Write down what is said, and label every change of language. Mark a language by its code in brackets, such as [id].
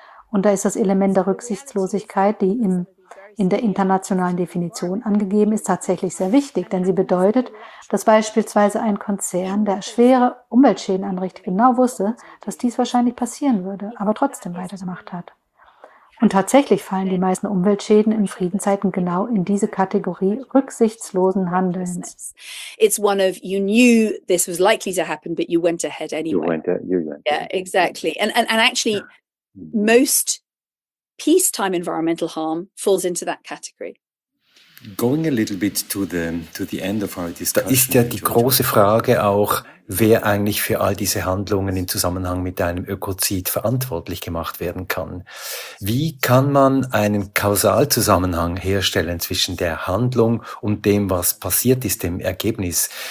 [de] Und da ist das Element der Rücksichtslosigkeit, die in der internationalen Definition angegeben ist, tatsächlich sehr wichtig, denn sie bedeutet, dass beispielsweise ein Konzern, der schwere Umweltschäden anrichtet, genau wusste, dass dies wahrscheinlich passieren würde, aber trotzdem weitergemacht hat. Und tatsächlich fallen die meisten Umweltschäden in Friedenszeiten genau in diese Kategorie rücksichtslosen Handelns. [en] It's one of you knew this was likely to happen, but you went ahead anyway. You went. Yeah, exactly. And actually, most peacetime environmental harm falls into that category. Going a little bit to the end of our discussion. [de] Da ist ja die große Frage auch, wer eigentlich für all diese Handlungen im Zusammenhang mit einem Ökozid verantwortlich gemacht werden kann. Wie kann man einen Kausalzusammenhang herstellen zwischen der Handlung und dem, was passiert ist, dem Ergebnis?